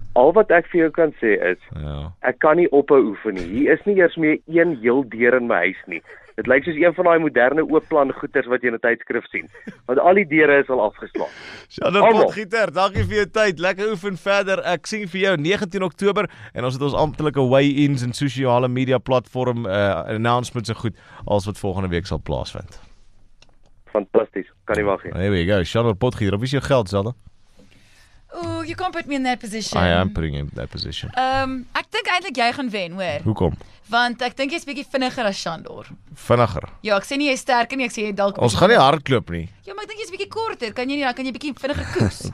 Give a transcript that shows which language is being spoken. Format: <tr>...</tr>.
<af>Al wat ek vir jou kan sê is, ek kan nie ophou oefen nie. Hier is nie eers meer een heel deur in my huis nie. Dit lyk soos een van daai moderne oopplan goeders wat jy in 'n tydskrif sien. Want al die deure is al afgeslaan. Shadow Potgieter, dankie vir jou tyd. Lekker oefen verder. Ek sien vir jou 19 Oktober en ons het ons amptelike weigh-ins en sosiale media platform announcements en goed als wat volgende week sal plaasvind. Fantastisch. Kan nie wag nie.</af> <en>There we go.</en> <af>Shadow Potgieter, wie is jou geld, Zelda?</af> <en>Ooh, you can't put me in that position. I am putting him in that position.</en> <af>Ek dink eintlik jy gaan wen, hoor. Hoekom? Want ek dink jy's bietjie vinniger as Shandor. Vinniger? Ja, ek sê nie jy's sterker nie, ek sê jy dalk. Ons gaan nie hardloop nie. Ja, maar ek dink jy's bietjie korter. Kan jy nie, dan kan jy bietjie vinniger koes.</af>